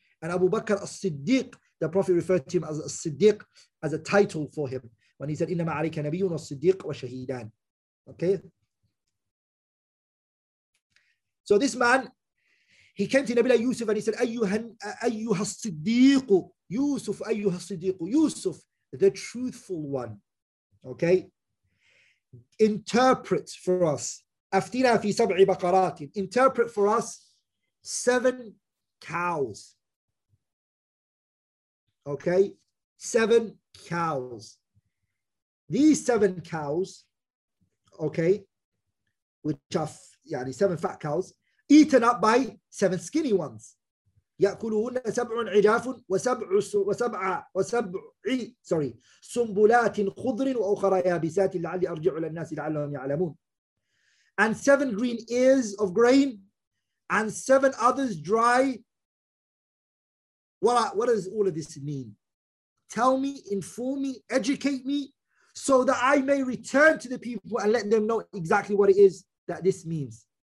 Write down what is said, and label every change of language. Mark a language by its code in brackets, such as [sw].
[en] And Abu Bakr الصديق, the prophet referred to him as الصديق, as a title for him. [ar] When he said إنما عليك نبي والصديق والشهيدان. Okay. [en] So this man, he came to Nabi Yusuf and he said, [ar] Ayyuha Siddiqu, [en] Yusuf, Ayyuha Siddiqu, Yusuf, the truthful one. Okay? Interpret for us. [ar] Aftina fi sab'i baqaratin. [en] Interpret for us 7 cows. Okay? 7 cows. These 7 cows, okay, which are yani 7 fat cows, eaten up by 7 skinny ones. [ar] يأكلهن سبع عجاف وسبع [en] sorry [ar] سنبلات خضر وأخرى يابسات لعلي أرجع للناس لعلهم يعلمون. [en] And 7 green ears of grain and 7 others dry. What does all of this mean? Tell me, inform me, educate me so that I may return to the people and let them know exactly what it is that this means.